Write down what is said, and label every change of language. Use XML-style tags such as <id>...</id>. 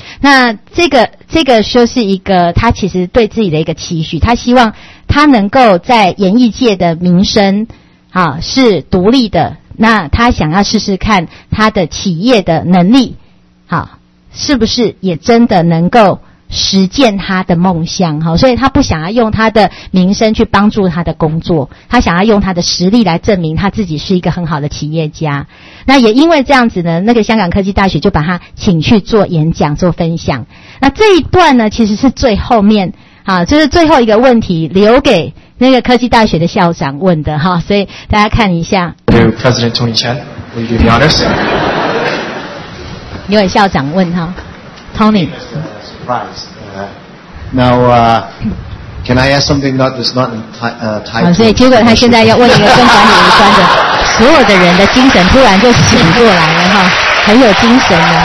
<zh>那这个就是一个他其实对自己的一个期许，他希望他能够在演艺界的名声哈是独立的，那他想要试试看他的企业的能力好是不是也真的能够实践他的梦想，所以他不想要用他的名声去帮助他的工作，他想要用他的实力来证明他自己是一个很好的企业家。那也因为这样子呢，那个香港科技大学就把他请去做演讲做分享。那这一段呢其实是最后面就是最后一个问题留给那个科技大学的校长问的，所以大家看一下。</zh> <en>Hello, President Tony Chan, will you be honest?</en> <zh>有校长问哈 ，Tony。</zh> <en>Surprise. Now, can I ask something that is not tied?</en> <zh>所以结果他现在要问一个跟管理无关的，所有的人的精神突然就醒过来了哈，很有精神的。</zh>